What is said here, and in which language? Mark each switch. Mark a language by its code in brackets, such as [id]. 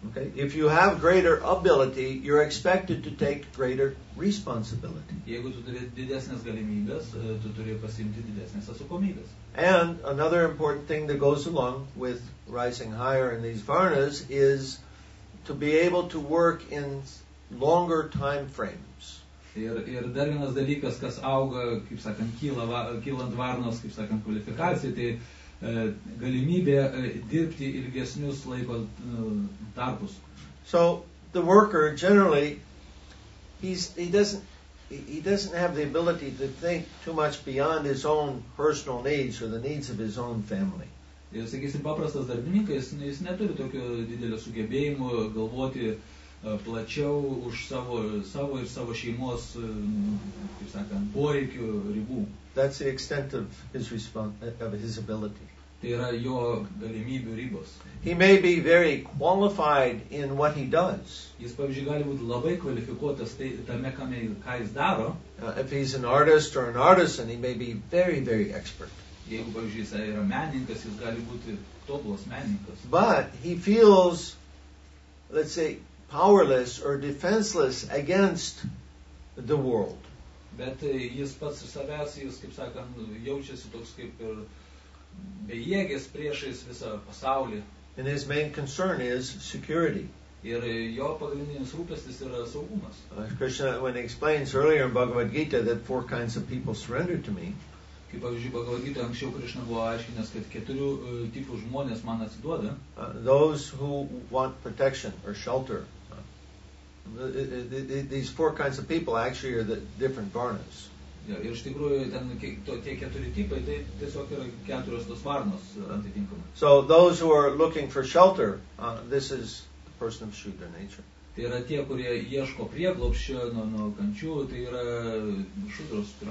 [en] Okay. If you have greater ability, you're expected to take greater responsibility. [lt] Jeigu tu turi didesnės galimybės, tu turi pasiimti didesnės atsakomybės. [en] And another important thing that goes along with rising higher in these varnas is to be able to work in longer time frames. [lt] Ir dar vienas dalykas, kas auga, kaip sakant, kylant varnos, kaip sakant, kvalifikacijai, tai galimybė dirbti ilgesnius laiko tarpus. [en] So the worker generally he doesn't have the ability to think too much beyond his own personal needs or the needs of his own family. [lt] Ir sakysim, paprastas darbininkas, jis neturi tokio didelio sugebėjimo galvoti plačiau už savo ir savo šeimos, kaip sakant, poreikių ribų. [en] That's the extent of his ability. [lt] Tai yra jo galimybių ribos. [en] He may be very qualified in what he does. [lt] Jis, pavyzdžiui, gali būti labai kvalifikuotas tame, ką jis daro. [en] If he's an artist or an artisan, he may be very, very expert. [lt] Jeigu, pavyzdžiui, jis yra menininkas, jis gali būti tobulas menininkas. [en] But he feels, let's say, powerless or defenseless against the world. [lt] Bet jis pats iš savęs, jis, kaip sakant, jaučiasi toks kaip ir bejėgis priešais visą pasaulį. [en] And his main concern is security. [lt] Ir jo pagrindinis rūpestis yra saugumas. [en] Krishna, when he explains earlier in Bhagavad Gita that four kinds of people surrender to me, [lt] kaip pavyzdžiui, Bhagavad Gita anksčiau Krishna buvo aiškinęs, kad keturių tipų žmonės man atsiduoda. [en] Those who want protection or shelter. These four kinds of people actually are the different varnas. [lt] Ja, ir iš tikrųjų, ten tie keturi tipai, tai tiesiog yra keturios tos varnos atitinkamai. [en] So those who are looking for shelter, this is the person of Shudra nature. [lt] Tai yra tie, kurie ieško prieglobščio nuo kančių, tai yra šudros.